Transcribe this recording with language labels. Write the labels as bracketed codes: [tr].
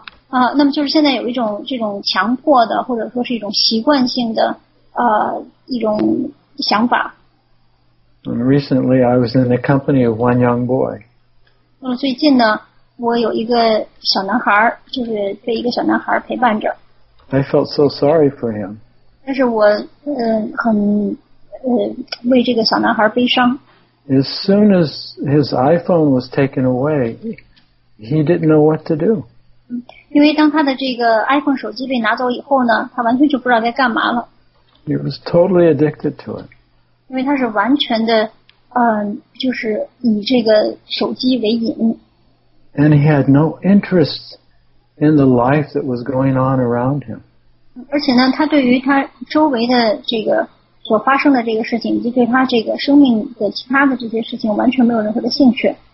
[zh] 那么就是现在有一种这种强迫的，或者说是一种习惯性的一种想法。 [en] And recently, I was in the company of one young boy. [zh] 那么最近呢，我有一个小男孩，就是被一个小男孩陪伴着。 [en] I felt so sorry for him. [zh] 但是我很。为这个小男孩悲伤。 [en] As soon as his iPhone was taken away, he didn't know what to do. [zh] 因为当他的这个 iPhone 手机被拿走以后呢，他完全就不知道该干嘛了。 [en] He was totally addicted to it. [zh] 因为他是完全的，就是以这个手机为瘾。 [en] And he had no interest in the life that was going on around him. [zh] 而且呢，他对于他周围的这个所发生的这个事情，以及对他这个生命的其他的这些事情，完全没有任何的兴趣。